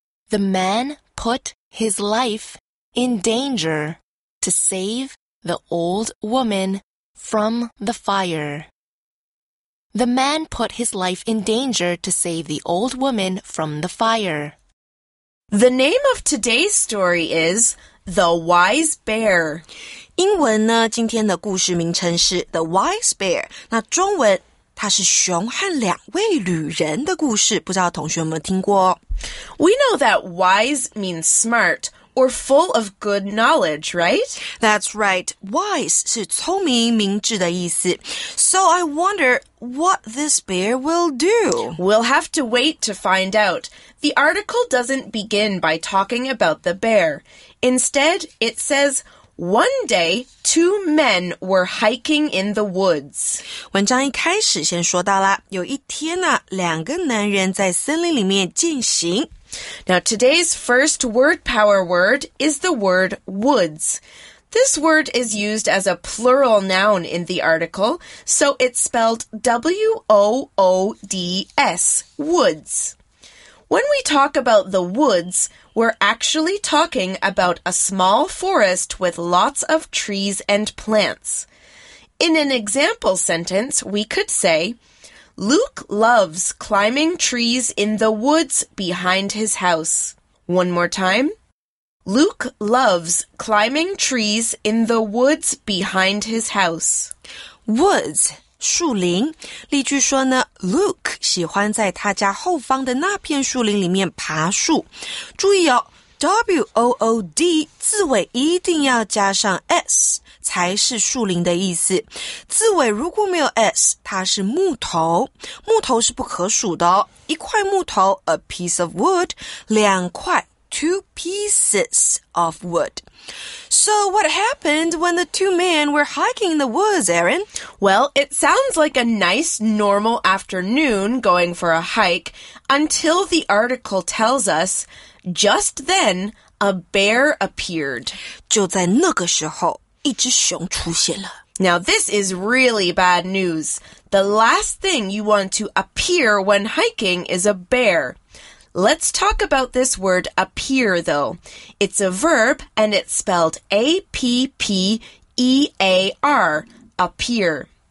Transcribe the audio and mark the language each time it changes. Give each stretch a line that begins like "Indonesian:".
English: The man put his life in danger to save the old woman from the fire. The man put his life in danger to save the old woman from the fire. The name of today's story is The Wise Bear.
Chinese: 英文呢，今天的故事名称是 The Wise Bear。那中文它是熊和两位旅人的故事，不知道同学有没有听过？
English: We know that wise means smart or full of good knowledge, right? That's right.
Chinese: Wise 是聪明、明智的意思。
English: So I wonder what this bear will do. We'll have to wait to find out. The article doesn't begin by talking about the bear. Instead, it says... One day, two men were hiking in the woods.
Chinese: 文章一开始先说到了，有一天呢，两个男人在森林里面进行。
English: Now, today's first word power word is the word woods. This word is used as a plural noun in the article, so it's spelled W-O-O-D-S, woods. When we talk about the woods... We're actually talking about a small forest with lots of trees and plants. In an example sentence, we could say, Luke loves climbing trees in the woods behind his house. One more time. Luke loves climbing trees in the woods behind his house. Woods.
Chinese: 树林，例句说呢 ，Luke 喜欢在他家后方的那片树林里面爬树。注意哦 ，W-O-O-D 字尾一定要加上 S 才是树林的意思。字尾如果没有 S， 它是木头，木头是不可数的哦。一块木头 ，
English: a piece of wood，
Chinese: 两块 ，
English: two pieces of wood。 So what happened when the two men were hiking in the woods, Aaron? Well, it sounds like a nice, normal afternoon going for a hike until the article tells us, just then, a bear appeared.
Chinese: 就在那个时候，一只熊出现了。
English: Now, this is really bad news. The last thing you want to appear when hiking is a bear. Let's talk about this word appear, though. It's a verb, and it's spelled A-P-P-E-A-R, appear.